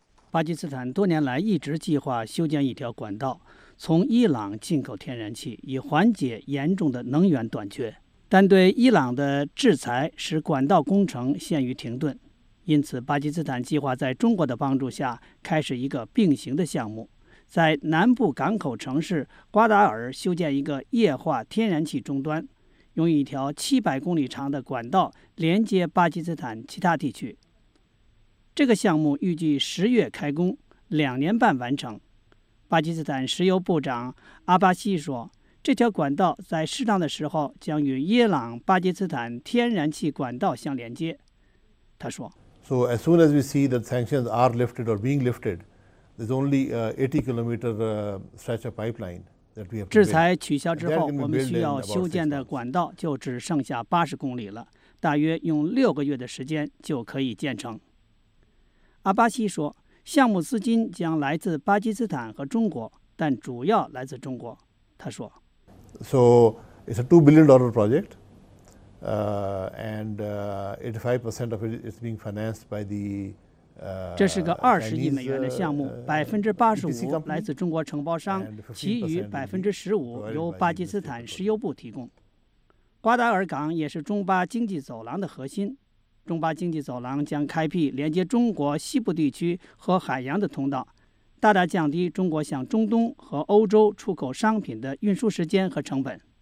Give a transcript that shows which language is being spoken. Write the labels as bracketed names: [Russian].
[Chinese] 巴基斯坦多年来一直计划修建一条管道，从伊朗进口天然气，以缓解严重的能源短缺，但对伊朗的制裁使管道工程陷于停顿，因此巴基斯坦计划在中国的帮助下开始一个并行的项目，在南部港口城市瓜达尔修建一个液化天然气终端，用一条700公里长的管道连接巴基斯坦其他地区。这个项目预计10月开工，2.5年完成。巴基斯坦石油部长阿巴西说，这条管道在适当的时候将与伊朗巴基斯坦天然气管道相连接。他说， [English] So as soon as we see that sanctions are lifted or being lifted, there's only 80 kilometer stretch of pipeline that we have. [Chinese] 制裁取消之后，我们需要修建的管道就只剩下80公里了，大约用6个月的时间就可以建成。阿巴西说，项目资金将来自巴基斯坦和中国，但主要来自中国。他说 [English] ，So it's a $2 billion project. And 85% of it is being financed by the [Chinese] 这是个20亿美元的项目，85%来自中国承包商，其余15%由巴基斯坦石油部提供。瓜达尔港也是中巴经济走廊的核心，中巴经济走廊将开辟连接中国西部地区和海洋的通道，大大降低中国向中东和欧洲出口商品的运输时间和成本。